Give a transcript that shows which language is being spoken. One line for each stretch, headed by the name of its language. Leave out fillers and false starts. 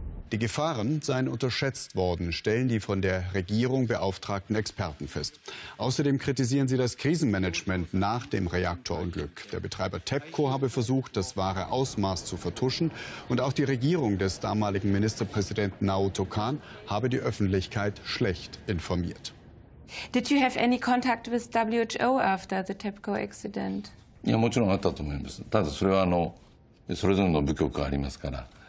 German: Die Gefahren seien unterschätzt worden, stellen die von der Regierung beauftragten Experten fest. Außerdem kritisieren sie das Krisenmanagement nach dem Reaktorunglück. Der Betreiber TEPCO habe versucht, das wahre Ausmaß zu vertuschen. Und auch die Regierung des damaligen Ministerpräsidenten Naoto Kan habe die Öffentlichkeit schlecht informiert.
English: Did you have any contact with WHO after the TEPCO accident?
Japanese: Ja, もちろんあったと思います.ただそれはそれぞれの部局がありますから。